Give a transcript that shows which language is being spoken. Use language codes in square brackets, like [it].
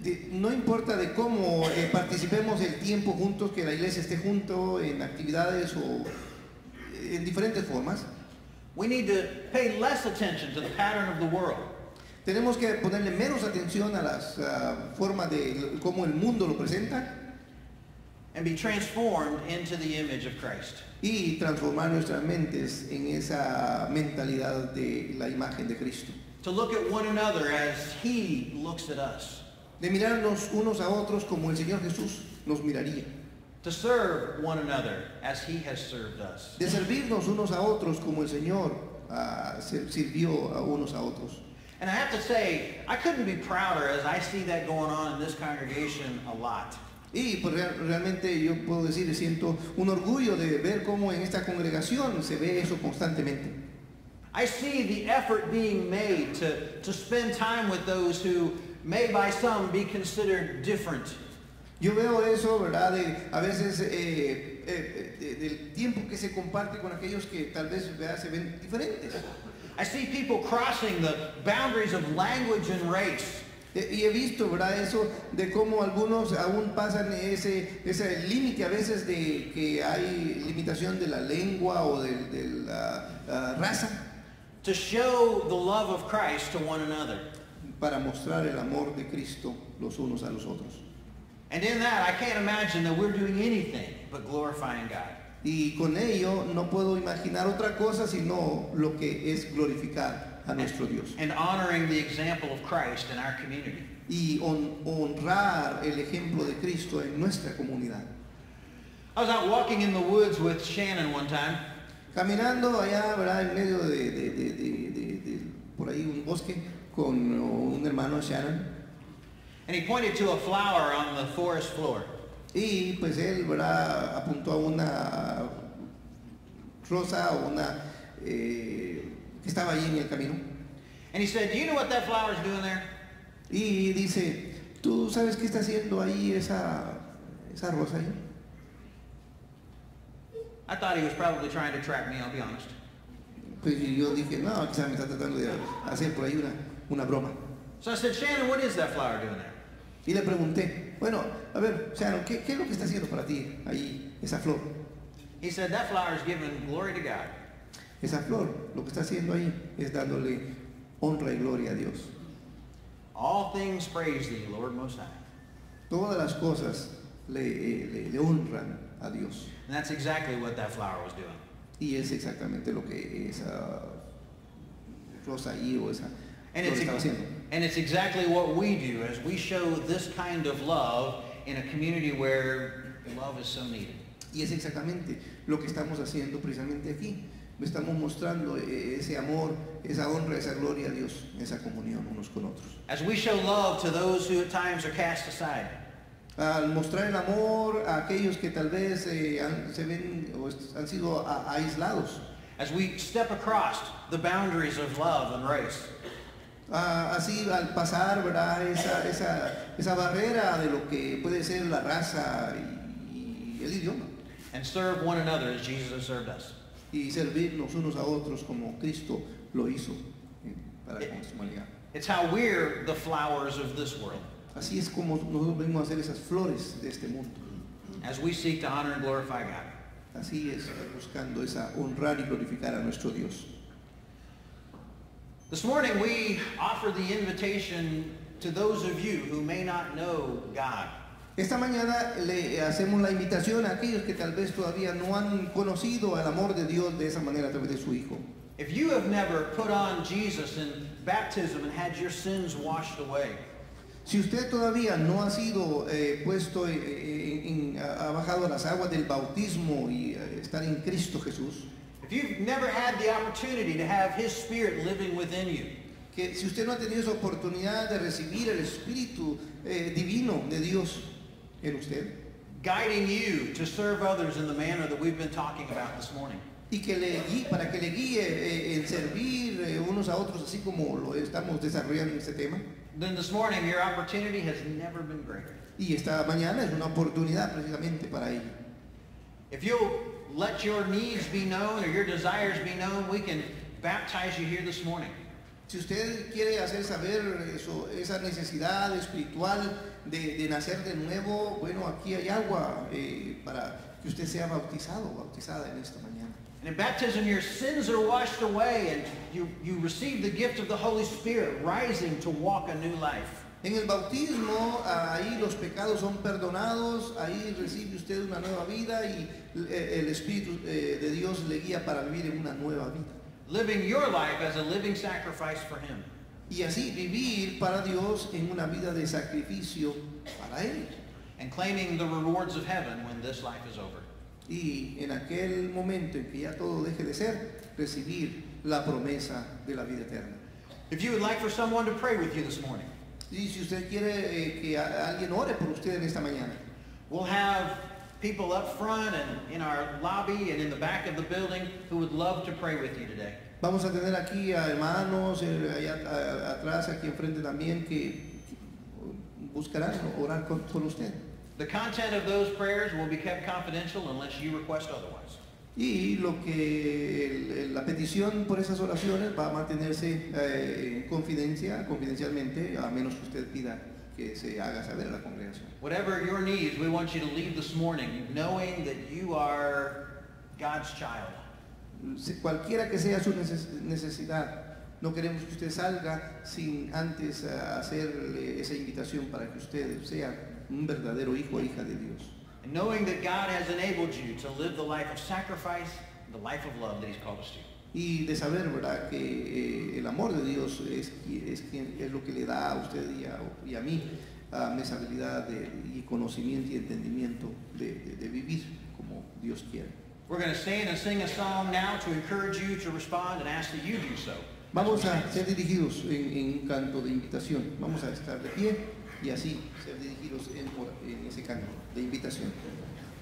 [es] No importa de cómo participemos el tiempo juntos, que la iglesia esté junto en actividades o en diferentes formas. [en] We need to pay less attention to the pattern of the world. [es] Tenemos que ponerle menos atención a las formas de cómo el mundo lo presenta. [en] And be transformed into the image of Christ. [es] Y transformar nuestras mentes en esa mentalidad de la imagen de Cristo. [en] To look at one another as he looks at us. [es] De mirarnos unos a otros como el Señor Jesús nos miraría. [en] To serve one another as he has served us. [es] De servirnos unos a otros como el Señor sirvió a unos a otros. [en] And I have to say, I couldn't be prouder as I see that going on in this congregation a lot. [es] Y pues realmente yo puedo decir, siento un orgullo de ver cómo en esta congregación se ve eso constantemente. [en] I see the effort being made to spend time with those who may by some be considered different. [es] Yo veo eso, ¿verdad? De, a veces del tiempo que se comparte con aquellos que tal vez, ¿verdad?, se ven diferentes. [en] I see people crossing the boundaries of language and race. [es] Y he visto, ¿verdad?, eso de cómo algunos aún pasan ese límite a veces de que hay limitación de la lengua o de la raza. [en] To show the love of Christ to one another. [es] Para mostrar el amor de Cristo los unos a los otros. [en] And in that, I can't imagine that we're doing anything but glorifying God. [es] Y con ello, no puedo imaginar otra cosa sino lo que es glorificar a nuestro Dios. [en] And honoring the example of Christ in our community. [es] Y honrar el ejemplo de Cristo en nuestra comunidad. [en] I was out walking in the woods with Shannon one time. [es] Caminando allá, ¿verdad?, en medio de por ahí un bosque con un hermano Sharon. [en] And he pointed to a flower on the forest floor. [es] Y pues él, ¿verdad?, apuntó a una rosa o una que estaba allí en el camino. [en] And he said, "Do you know what that flower is doing there?" [es] Y dice, "¿Tú sabes qué está haciendo ahí esa rosa ahí?" [en] I thought he was probably trying to track me, I'll be honest. [es] Pues yo dije, no, quizás me está tratando de hacer por ahí una broma. [en] So I said, "Shannon, what is that flower doing there?" [es] Y le pregunté, bueno, a ver, Shannon, ¿qué es lo que está haciendo para ti ahí, esa flor? [en] He said, "That flower is giving glory to God." [es] Esa flor, lo que está haciendo ahí es dándole honra y gloria a Dios. [en] All things praise thee, Lord Most High. [es] Todas las cosas le honran a Dios. [en] And that's exactly what that flower was doing. [es] Y es exactamente lo que esa rosa ahí o esa estaba haciendo. [en] And it's exactly what we do as we show this kind of love in a community where love is so needed. [es] Y es exactamente lo que estamos haciendo precisamente aquí. Estamos mostrando ese amor, esa honra, esa gloria a Dios, esa comunión unos con otros. [en] As we show love to those who at times are cast aside. [es] Al mostrar el amor a aquellos que tal vez han sido aislados. [en] As we step across the boundaries of love and race. [es] Así al pasar, ¿verdad?, esa barrera de lo que puede ser la raza y el idioma. [en] And serve one another as Jesus has served us. [es] Y servirnos unos a otros como Cristo lo hizo para con su humanidad. [en] It's how we're the flowers of this world. [es] Así es como nosotros venimos a ser esas flores de este mundo. [en] As we seek to honor and glorify God. [es] Así es, buscando esa honrar y glorificar a nuestro Dios. [en] This morning we offer the invitation to those of you who may not know God. [es] Esta mañana le hacemos la invitación a aquellos que tal vez todavía no han conocido al amor de Dios de esa manera a través de su Hijo. [en] If you have never put on Jesus in baptism and had your sins washed away. [es] Si usted todavía no ha sido puesto en ha bajado a las aguas del bautismo y estar en Cristo Jesús. [en] If you've never had the opportunity to have His Spirit living within you. [es] Que si usted no ha tenido esa oportunidad de recibir el Espíritu divino de Dios en usted. [en] Guiding you to serve others in the manner that we've been talking about this morning. [es] Y que le guíe, para que le guíe en servir unos a otros así como lo estamos desarrollando en este tema. [en] Then this morning your opportunity has never been greater. [es] Y esta mañana es una oportunidad precisamente para ello. [en] If you let your needs be known or your desires be known, we can baptize you here this morning. [es] Si usted quiere hacer saber eso, esa necesidad espiritual de nacer de nuevo, bueno, aquí hay agua para que usted sea bautizado o bautizada en esta mañana. [en] And in baptism, your sins are washed away, and you receive the gift of the Holy Spirit, rising to walk a new life. [es] En el bautismo, ahí los pecados son perdonados, ahí recibe usted una nueva vida, y el Espíritu de Dios le guía para vivir en una nueva vida. [en] Living your life as a living sacrifice for Him. [es] Y así vivir para Dios en una vida de sacrificio para Él. [en] And claiming the rewards of heaven when this life is over. [es] Y en aquel momento en que ya todo deje de ser, recibir la promesa de la vida eterna. [en] If you would like for someone to pray with you this morning. [es] Y si usted quiere que alguien ore por usted en esta mañana. [en] We'll have people up front and in our lobby and in the back of the building who would love to pray with you today. [es] Vamos a tener aquí a hermanos allá atrás, aquí enfrente también, que buscarán orar con usted. [en] The content of those prayers will be kept confidential unless you request otherwise. [es] Y lo que la petición por esas oraciones va a mantenerse confidencialmente a menos que usted pida que se haga saber a la congregación. [en] Whatever your needs, we want you to leave this morning knowing that you are God's child. [es] Cualquiera que sea su necesidad, no queremos que usted salga sin antes hacerle esa invitación para que usted sea un verdadero hijo o hija de Dios. [en] And knowing that God has enabled you to live the life of sacrifice, the life of love that He's called us to. [es] Y de saber, ¿verdad?, que el amor de Dios es lo que le da a usted y a mí esa habilidad y conocimiento y entendimiento de vivir como Dios quiere. [en] We're going to stand and sing a song now to encourage you to respond and ask that you do so. [es] Vamos a ser dirigidos en un canto de invitación. Vamos a estar de pie y así ser dirigidos en ese canto de invitación.